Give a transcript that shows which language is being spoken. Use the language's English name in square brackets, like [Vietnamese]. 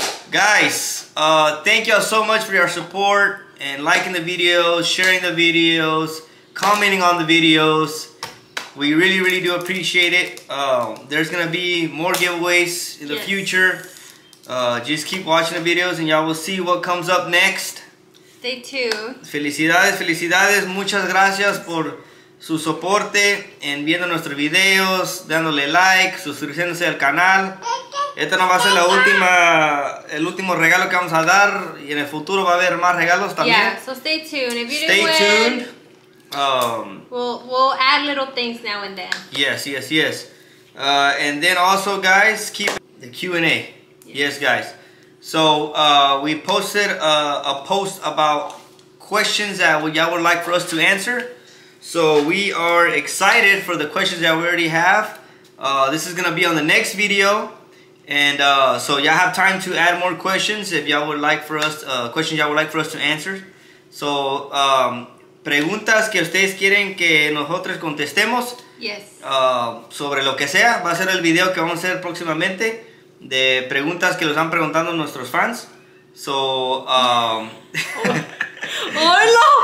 [English] Guys, thank y'all so much for your support and liking the videos, sharing the videos, commenting on the videos. We really, really do appreciate it. There's going to be more giveaways in the future. Just keep watching the videos and y'all will see what comes up next. Stay tuned. [Spanish] Felicidades, muchas gracias por su soporte en viendo nuestros videos, dándole like, suscribiéndose al canal. Esta no va a ser el último regalo que vamos a dar, y en el futuro va a haber más regalos también. [English] Yeah, so stay tuned. Win, we'll add little things now and then. Yes. And then also, guys, keep the Q&A. Yes, guys. So, we posted a post about questions that y'all would like for us to answer. So, we are excited for the questions that we already have. This is going to be on the next video. And so, y'all have time to add more questions if y'all would like for us, questions y'all would like for us to answer. [Spanish] So, preguntas que ustedes quieren que nosotros contestemos. [English] Yes. [Spanish] Sobre lo que sea, va a ser el video que vamos a hacer próximamente. De preguntas que los han preguntando nuestros fans. [English] So, [Spanish] ¡Hola!